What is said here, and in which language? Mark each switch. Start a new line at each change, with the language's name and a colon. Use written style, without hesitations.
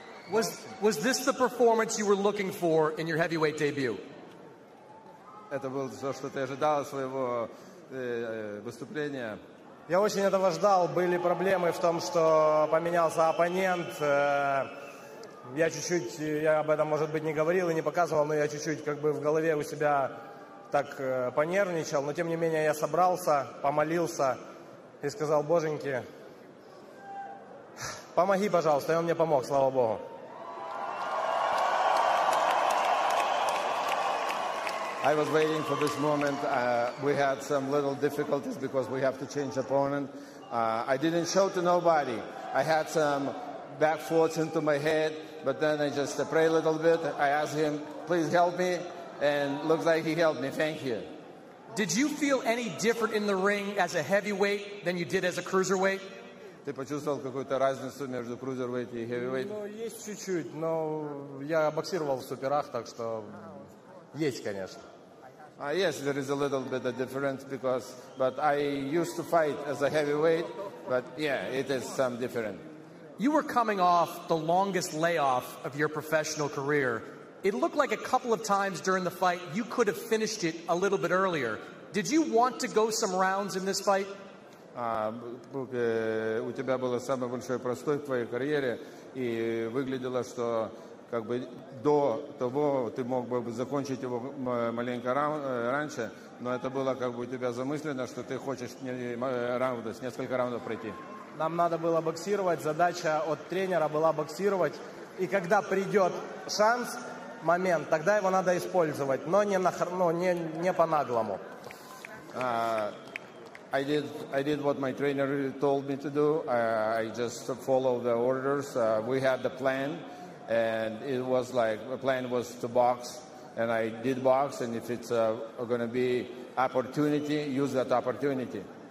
English: Was this the performance you were looking for in your heavyweight debut?
Russian: Это было то, что ты ожидал своего выступления Я очень этого ждал. Были проблемы в том, что поменялся оппонент. Я чуть-чуть, я об этом, может быть, не говорил и не показывал, но я чуть-чуть как бы в голове у себя так понервничал. Но, тем не менее, я собрался, помолился и сказал: «Боженьки, помоги, пожалуйста». И он мне помог, слава Богу.
English: I was waiting for this moment. We had some little difficulties because we have to change opponent. I didn't show to nobody. I had some back thoughts into my head, but then I just prayed a little bit. I asked him, please help me, and looks like he helped me. Thank you. Did you feel any different in the ring as a heavyweight than you did as a cruiserweight?
Russian: Ты почувствовал какую-то разницу между cruiserweight и heavyweight? Ну, есть чуть-чуть, но я боксировал в суперах, так что... Есть, конечно.
English: Yes, there is a little bit of difference because, but I used to fight as a heavyweight, but yeah, it is some different. You were coming off the longest layoff of your professional career. It looked like a couple of times during the fight you could have finished it a little bit earlier. Did you want to go some rounds in this fight?
Russian: У тебя был самый большой простой в твоей карьере, и выглядело, что как бы до того ты мог бы закончить его маленько раньше, но это было как бы у тебя замыслено, что ты хочешь несколько раундов пройти. Нам надо было боксировать, задача от тренера была боксировать, и когда придет шанс, момент, тогда его надо использовать, но не по-наглому.
English: I did what my trainer told me to do. I just follow the orders. We had the plan. And it was like, my plan was to box, and I did box, and if it's going to be opportunity, use that opportunity.